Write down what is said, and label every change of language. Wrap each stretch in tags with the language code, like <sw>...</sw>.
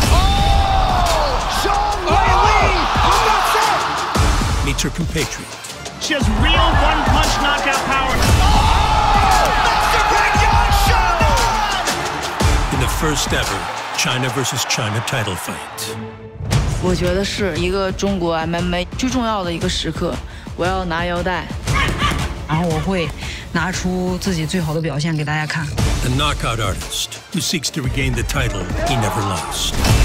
<en>Oh! Zhong Weili! That's it! Meets her compatriot. She has real one-punch knockout power. Oh! Oh! Mr. Peng Yangshan! In the first ever China versus China title fight.</en> <zh>我觉得是一个中国 MMA 最重要的一个时刻，我要拿腰带，然后我会拿出自己最好的表现给大家看。</zh> <en>The knockout artist who seeks to regain the title he never lost.</en>